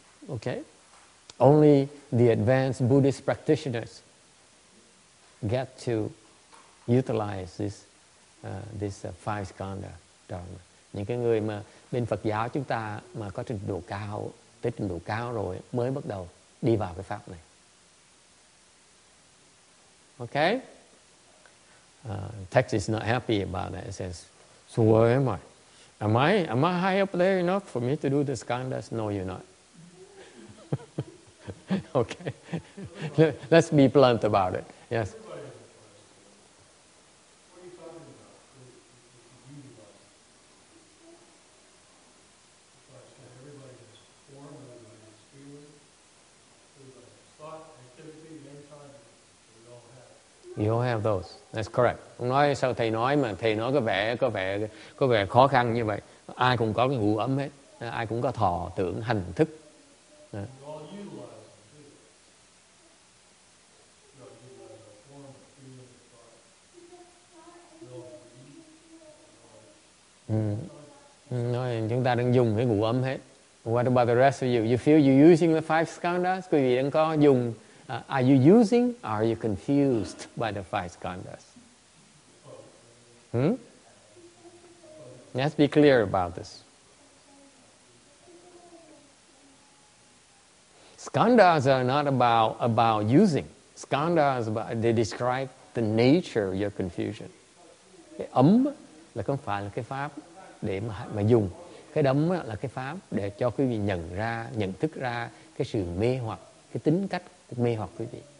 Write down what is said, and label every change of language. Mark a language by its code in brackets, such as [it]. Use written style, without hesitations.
[en] Okay, only the advanced Buddhist practitioners get to utilize this five skandha dharma. [vi] Những cái người mà bên Phật giáo chúng ta mà có trình độ cao, tới trình độ cao rồi mới bắt đầu đi vào cái pháp này. [en] Okay. Text is not happy about that. It says, so where am I? Am I high up there enough for me to do the skandhas? No, you're not. Okay. Let's be blunt about it. Yes. You don't have those. That's correct. [vi] Ông nói sao thầy nói mà thầy nói có vẻ khó khăn như vậy. Ai cũng có cái ngũ ấm hết. Ai cũng có thọ tưởng hành thức. Nói chúng ta đang dùng cái ngũ ấm hết. [en] What about the rest of you? You feel you're using the five skandhas? [vi] Quý vị đang có dùng. [en] Are you using or are you confused by the five skandhas? Let's be clear about this. Skandhas are not about using. Skandhas, they describe the nature of your confusion. [vi] Cái ấm là không phải là cái pháp để mà dùng. Cái đấm là cái pháp để cho quý vị nhận ra, nhận thức ra cái sự mê hoặc, cái tính cách mê hoặc quý vị.